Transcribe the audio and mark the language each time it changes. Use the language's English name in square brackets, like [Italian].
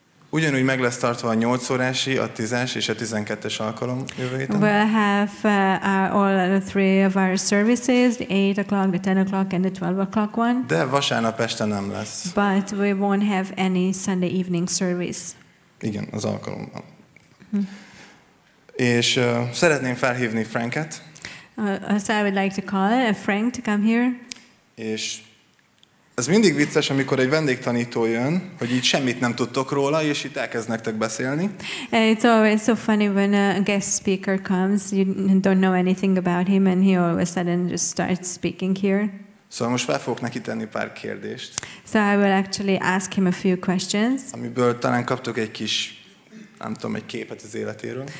[Hungarian] Ugyanúgy meg lesz tartva a 8 órási, a 10-es és a 12-es alkalom jövő héten. [English] We'll have all the three of our services, the 8 o'clock, the 10 o'clock and the 12 o'clock one. [Hungarian] De vasárnap este nem lesz. [English] But we won't have any Sunday evening service. [Hungarian] Igen, az alkalommal. És szeretném felhívni Franket. [English] So I would like to call Frank to come here. [Hungarian] És ez mindig vicces, amikor egy vendégtanító jön, hogy így semmit nem tudtok róla, és itt elkezd nektek beszélni. [English] It's always so funny when a guest speaker comes, you don't know anything about him, and he all of a sudden just starts speaking here. [Hungarian] Szóval most fel fogok neki tenni pár kérdést. [English] So I will actually ask him a few questions. [Hungarian] Amiből talán kaptok egy kis, nem tudom, egy képet az életéről.